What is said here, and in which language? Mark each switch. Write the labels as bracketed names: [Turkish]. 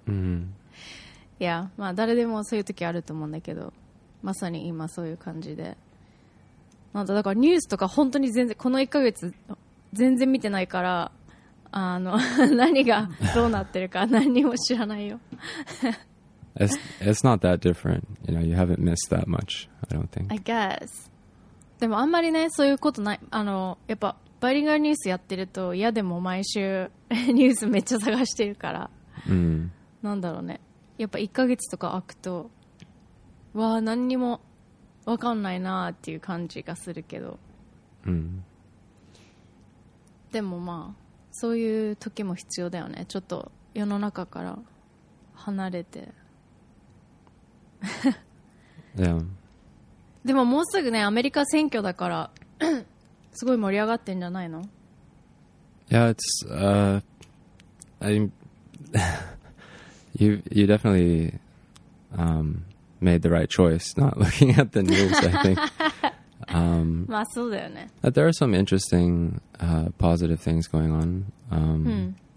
[Japanese] Yeah, まあ誰でもそういう時あると思うんだけど、まさに今そういう感じで。なんだ、だからニュースとか本当に全然、この1ヶ月全然見てないから、何がどうなってるか何にも知らないよ。 [English] It's not that different. You know, you haven't missed that much, I don't think. I guess. [Japanese] でもあんまりねそういうことない、やっぱバイリンガルニュースやってると嫌でも毎週ニュースめっちゃ探してるから、うん、なんだろうね、やっぱ1ヶ月とか空くとわー何にも分かんないなーっていう感じがするけど、うん、でもまあそういう時も必要だよね、ちょっと世の中から離れて。 yeah. でももうすぐね、アメリカ選挙だから、すごい盛り上がってんじゃないの? [English] Yeah, it's, you definitely, made the right choice not looking at the news, I think. [Japanese] まあそうだよね。 [English] But there are some interesting, positive things going on.